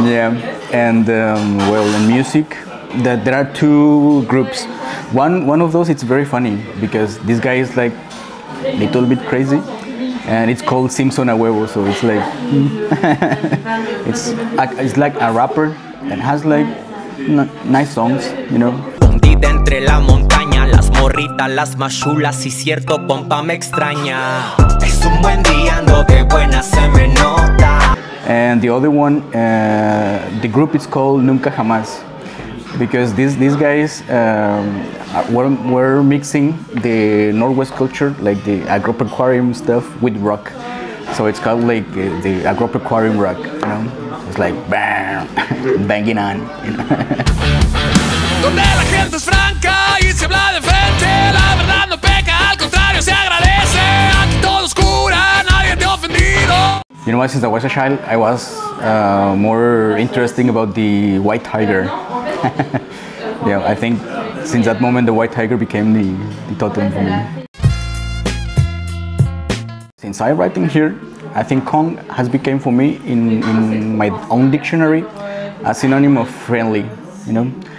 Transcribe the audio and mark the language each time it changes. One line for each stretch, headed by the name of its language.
English: Yeah, and well, in music, that there are two groups. One of those, it's very funny, because this guy is like a little bit crazy, and it's called Simpson a Huevo, so it's like it's like a rapper that has like nice songs, you know.
Spanish: Entre la montaña, las morritas, las machulas y cierto compa me extraña. Es un buen día, ando de buena, se me nota.
English: And the other one, the group is called Nunca Jamás, because these guys were mixing the Northwest culture, like the agropecuarium stuff, with rock. So it's called like the agropecuarium rock, you know. It's like bam, banging on.
Spanish: Donde la gente es franca y se habla de frente, la verdad no peca, al contrario se agradece. Aquí todo oscura, nadie te ha ofendido.
English: You know what, since I was a child, I was more interesting about the white tiger. Yeah, I think since that moment the white tiger became the totem for me. Since I'm writing here, I think Kong has become for me in my own dictionary a synonym of friendly, you know.